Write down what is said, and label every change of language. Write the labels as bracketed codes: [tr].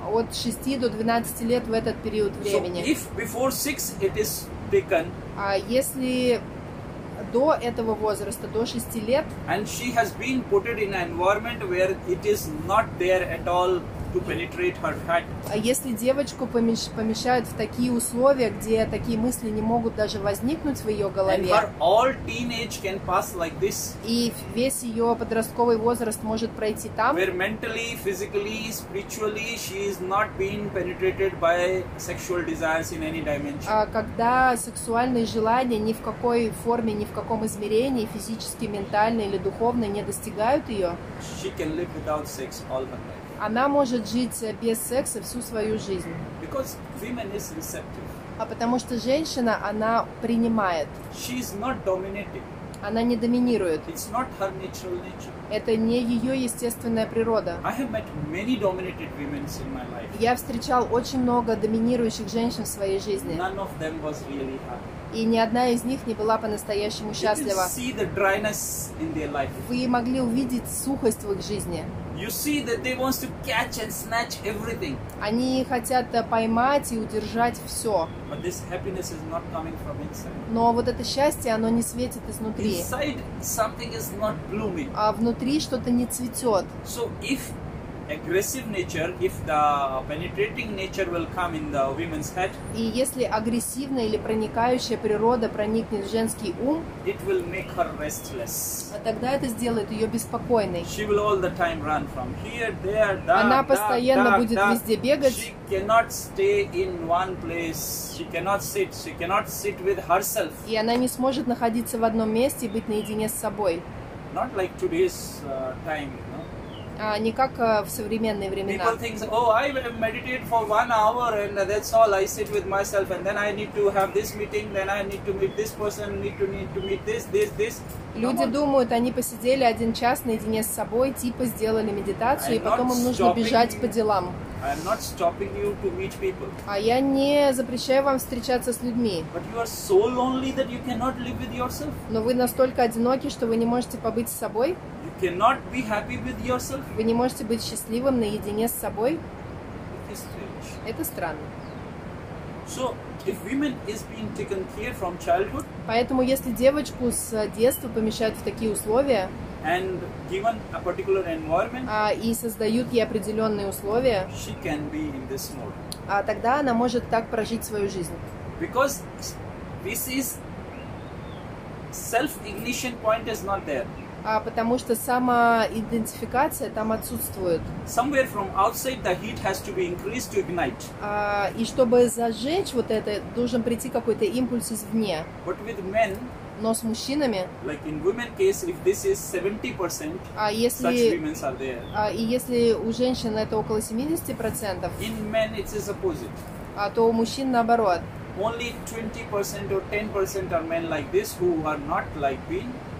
[ru] От 6 до 12 лет в этот период времени. [en] So if before 6 it is taken. [ru] Если до этого возраста, до 6 лет. [en] And she has been put in an environment where it is not there at all to penetrate her head. [ru] Если девочку помещают в такие условия, где такие мысли не могут даже возникнуть в ее голове. [en] And all teenage can pass like this. [ru] И весь ее подростковый возраст может пройти там. [en] Where mentally, physically, spiritually she is not being penetrated by sexual desires in any dimension. [ru] Когда сексуальные желания ни в какой форме, ни в каком измерении, физически, ментально или духовно не достигают ее. [en] She can live without sex all her life. [ru] Она может жить без секса всю свою жизнь. [en] Because women is receptive. [ru] А потому что женщина, она принимает. [en] She's not dominating. [ru] Она не доминирует. [en] It's not her natural nature. [ru] Это не ее естественная природа. [en] I have met many dominated women in my life. [ru] Я встречал очень много доминирующих женщин в своей жизни. [en] None of them was really happy. [ru] И ни одна из них не была по-настоящему счастлива. [en] You can see the dryness in their life. [ru] Вы могли увидеть сухость в их жизни. [en] You see that they want to catch and snatch everything. [ru] Они хотят поймать и удержать все. [en] But this happiness is not coming from inside. [ru] Но вот это счастье, оно не светит изнутри. [en] Inside something is not blooming. [ru] А внутри что-то не цветет. [en] So if aggressive nature, if the penetrating nature will come in the woman's head. [ru] И если агрессивная или проникающая природа проникнет в женский ум, [en] it will make her restless. [ru] А тогда это сделает ее беспокойной. [en] She will all the time run from here, there, that. [ru] Она постоянно будет везде бегать. [en] She cannot stay in one place. She cannot sit. She cannot sit with herself. [ru] И она не сможет находиться в одном месте и быть наедине с собой. [en] Not like today's time. [ru] Не как в современные времена. [en] People think, oh, I will meditate for one hour and that's all. I sit with myself and then I need to have this meeting, then I need to meet this person, need to meet this. [ru] Люди думают, они посидели один час наедине с собой, типа сделали медитацию, и потом им нужно бежать по делам. [en] I am not stopping you to meet people. [ru] А я не запрещаю вам встречаться с людьми. [en] But you are so lonely that you cannot live with yourself. [ru] Но вы настолько одиноки, что вы не можете побыть с собой. [en] You cannot be happy with yourself. [ru] Вы не можете быть счастливым наедине с собой. [en] It is strange. [ru] Это странно. [en] So, if women is being taken care from childhood. [ru] Поэтому если девочку с детства помещают в такие условия. [en] And given a particular environment, [ru] и создают ей определенные условия, [en] she can be in this mode. [ru] Тогда она может так прожить свою жизнь. [en] Because this is self-ignition point is not there. [ru] Потому что самоидентификация там отсутствует. [en] Somewhere from outside the heat has to be increased to ignite. [ru] И чтобы зажечь вот это, должен прийти какой-то импульс извне. [en] But with men, [ru] но с мужчинами, [en] like in women case, if this is 70%, [ru] если, [en] such women are there. [ru] И если у женщин это около 70%, [en] in men it is opposite. [ru] То у мужчин наоборот. [en] Only 20% or 10% are men like this who are not like being.